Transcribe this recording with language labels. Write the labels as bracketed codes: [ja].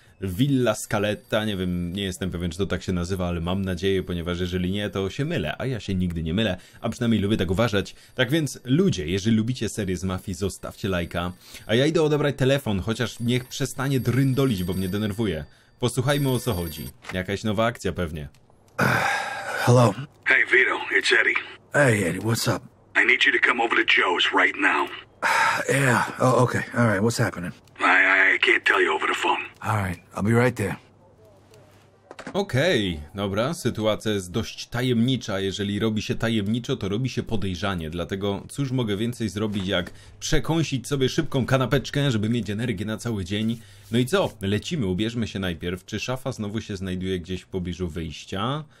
[pl] Villa Scaletta, nie wiem, nie jestem pewien, czy to tak się nazywa, ale mam nadzieję, ponieważ jeżeli nie, to się mylę, a ja się nigdy nie mylę, a przynajmniej lubię tak uważać. Tak więc, ludzie, jeżeli lubicie serię z mafii, zostawcie lajka, a ja idę odebrać telefon, chociaż niech przestanie dryndolić, bo mnie denerwuje. Posłuchajmy, o co chodzi. Jakaś nowa akcja pewnie. [en] Hello. Hey Vito, it's Eddie. Hey Eddie, what's up? I need you to come over to Joe's right now. Yeah, oh, okay, alright, what's happening? I can't tell you over the phone. Alright, I'll be right there. [pl] Okej, dobra, sytuacja jest dość tajemnicza. Jeżeli robi się tajemniczo, to robi się podejrzanie. Dlatego cóż mogę więcej zrobić, jak przekąsić sobie szybką kanapeczkę, żeby mieć energię na cały dzień. No i co? Lecimy, ubierzmy się najpierw. Czy szafa znowu się znajduje gdzieś w pobliżu wyjścia?